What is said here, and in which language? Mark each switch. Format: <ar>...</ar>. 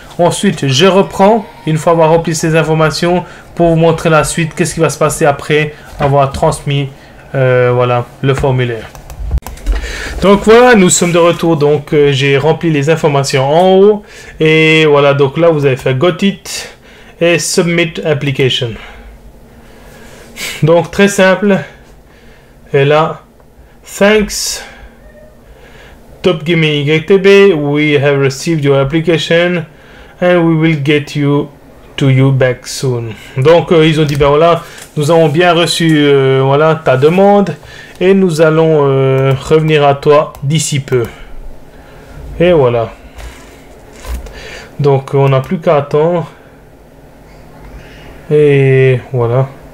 <fr>Ensuite, je reprends, une fois avoir rempli ces informations, pour vous montrer la suite, qu'est-ce qui va se passer après avoir transmis voilà, le formulaire. Donc voilà, nous sommes de retour, donc j'ai rempli les informations en haut et voilà, donc là vous avez fait Got It et Submit Application. Donc très simple, et là,</fr> <en>Thanks, Top Gaming YTB, we have received your application and we will get you to you back soon.</en> <fr>Donc ils ont dit, ben voilà, nous avons bien reçu voilà, ta demande. Et nous allons revenir à toi d'ici peu. Et voilà. Donc, on n'a plus qu'à attendre. Et voilà.</fr>